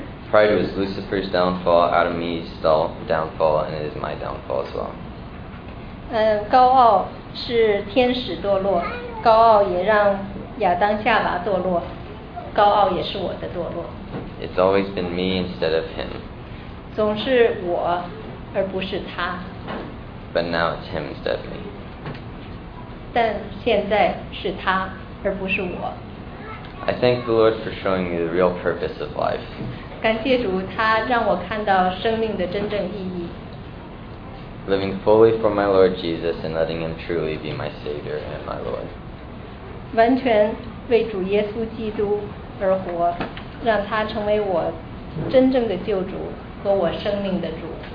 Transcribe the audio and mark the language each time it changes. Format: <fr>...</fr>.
<en>Pride was Lucifer's downfall, Adam and Eve's downfall, and it is my downfall as well.</en> <zh>高傲是天使堕落，高傲也让亚当夏娃堕落。高傲也是我的堕落。</zh> <en>It's always been me instead of him.</en> <zh>总是我而不是他。</zh> <en>But now it's him instead of me.</en> <zh>但现在是他而不是我。</zh> <en>I thank the Lord for showing me the real purpose of life.</en> <zh>感谢主，他让我看到生命的真正意义。</zh> <en>Living fully for my Lord Jesus and letting him truly be my Savior and my Lord.</en> <zh>完全为主耶稣基督而活，让他成为我真正的救主和我生命的主。</zh>